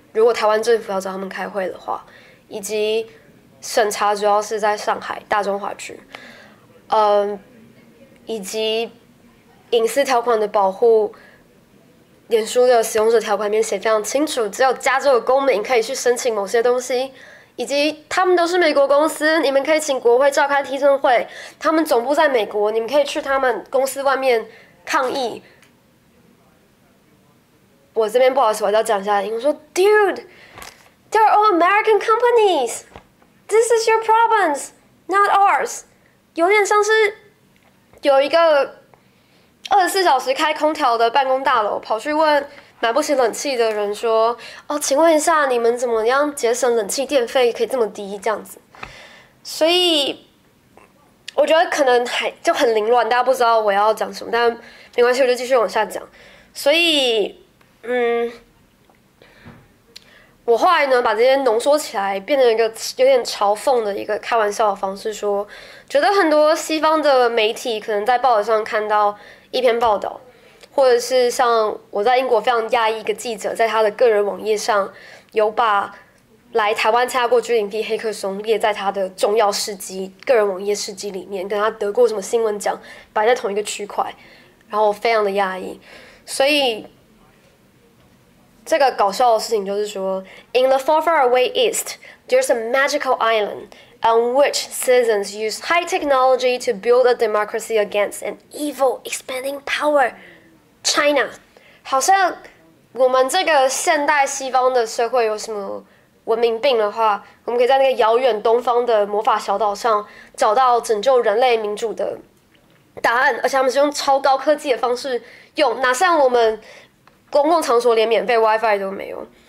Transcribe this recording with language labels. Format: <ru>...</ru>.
<zh>如果台湾政府要找他们开会的话，以及审查主要是在上海大中华区，以及隐私条款的保护，脸书的使用者条款里面写非常清楚，只有加州的公民可以去申请某些东西，以及他们都是美国公司，你们可以请国会召开听证会，他们总部在美国，你们可以去他们公司外面。抗议！我这边不好意思，我要讲一下。我说，</zh> <en>Dude，they're all American companies. This is your province, not ours.</en> <zh>有点像是有一个24小时开空调的办公大楼，跑去问买不起冷气的人说：“哦，请问一下，你们怎么样节省冷气电费可以这么低？这样子。 ”所以。我觉得可能还就很凌乱，大家不知道我要讲什么，但没关系，我就继续往下讲。所以，我后来呢，把这些浓缩起来，变成一个有点嘲讽的一个开玩笑的方式说，觉得很多西方的媒体可能在报纸上看到一篇报道，或者是像我在英国非常讶异一个记者，在他的个人网页上有把。来台湾参加过 G20 黑客松，列在他的重要事迹、个人网页事迹里面，跟他得过什么新闻奖，摆在同一个区块，然后我非常的压抑。所以这个搞笑的事情就是说，</zh> <en>In the far far away east, there's a magical island on which citizens use high technology to build a democracy against an evil expanding power, China。</en> <zh>好像我们这个现代西方的社会有什么？文明病的话，我们可以在那个遥远东方的魔法小岛上找到拯救人类民主的答案，而且他们是用超高科技的方式用，哪像我们公共场所连免费 WiFi 都没有。</zh>